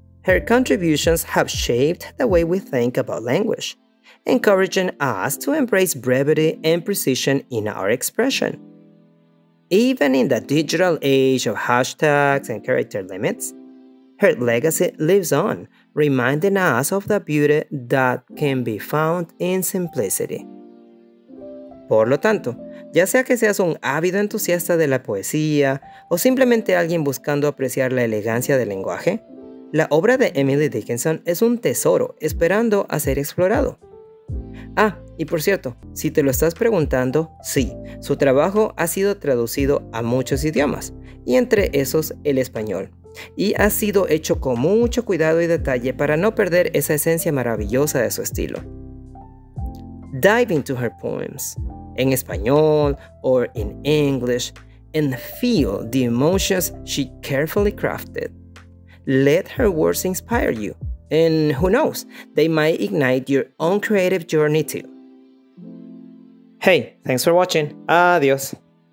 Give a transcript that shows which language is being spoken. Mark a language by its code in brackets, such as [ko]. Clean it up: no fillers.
[en] Her contributions have shaped the way we think about language, encouraging us to embrace brevity and precision in our expression. Even in the digital age of hashtags and character limits, her legacy lives on, reminding us of the beauty that can be found in simplicity. [es] Por lo tanto, ya sea que seas un ávido entusiasta de la poesía o simplemente alguien buscando apreciar la elegancia del lenguaje, la obra de Emily Dickinson es un tesoro esperando a ser explorado. Ah, y por cierto, si te lo estás preguntando, sí, su trabajo ha sido traducido a muchos idiomas, y entre esos el español, y ha sido hecho con mucho cuidado y detalle para no perder esa esencia maravillosa de su estilo. [en] Dive into her poems, [es] en español [en] or in English, and feel the emotions she carefully crafted. Let her words inspire you, and who knows, they might ignite your own creative journey too. Hey, thanks for watching. Adios.